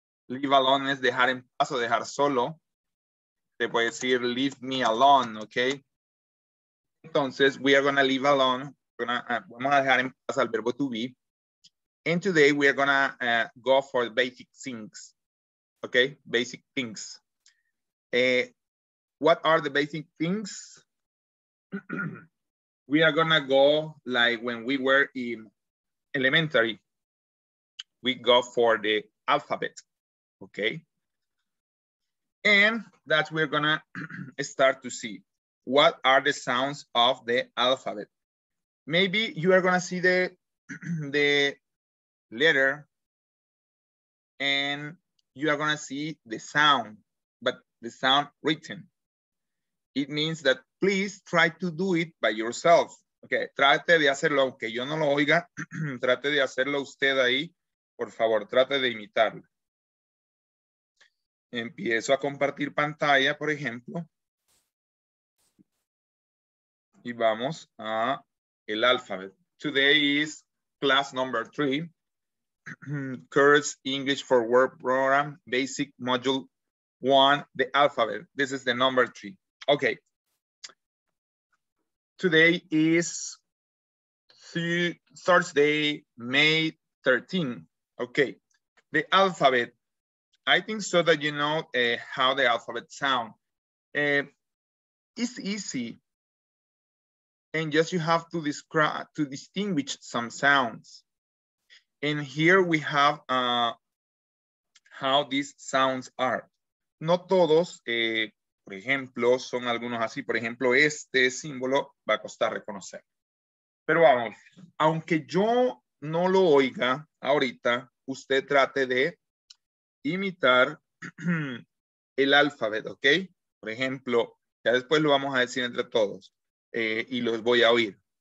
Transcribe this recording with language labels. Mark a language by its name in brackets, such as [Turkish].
[Spanish] Leave alone es dejar en paz o dejar solo. Se puede decir [English] leave me alone, okay? [Spanish] Entonces, [English] we are gonna leave alone. [Spanish] Vamos a dejar en paz al verbo to be. [English] And today we are gonna go for basic things, okay? Basic things. What are the basic things? We are gonna go like when we were in elementary. We go for the alphabet. Okay, and that we're gonna start to see what are the sounds of the alphabet. Maybe you are gonna see the letter and you are gonna see the sound, but the sound written. It means that please try to do it by yourself. [Spanish] Okay, trate de hacerlo, aunque yo no lo oiga, trate de hacerlo usted ahí, por favor, trate de imitarlo. empiezo a compartir pantalla, por ejemplo. Y vamos a el [English] alphabet. Today is class number 3. Curse English for Work Program, Basic Module 1, the alphabet. This is the number 3. Okay. Today is Thursday, May 13. Okay. The alphabet. I think so that you know how the alphabet sound. It's easy. And just you have to describe, to distinguish some sounds. And here we have how these sounds are. [Spanish] No todos, por ejemplo, son algunos así. Por ejemplo, este símbolo va a costar reconocer. Pero vamos, aunque yo no lo oiga ahorita, usted trate de imitar el alfabeto, ¿ok? Por ejemplo, ya después lo vamos a decir entre todos y los voy a oír.